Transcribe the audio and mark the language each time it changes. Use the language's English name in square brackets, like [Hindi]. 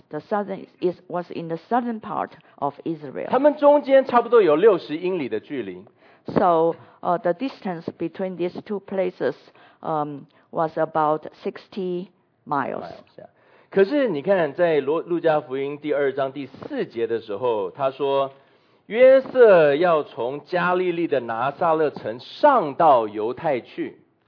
[English] The southern is was in the southern part of Israel. [Chinese] 他们中间差不多有六十英里的距离。 [English] So, the distance between these two places, was about 60 miles. [Chinese] 可是你看，在路加福音第二章第四节的时候，他说约瑟要从加利利的拿撒勒城上到犹太去。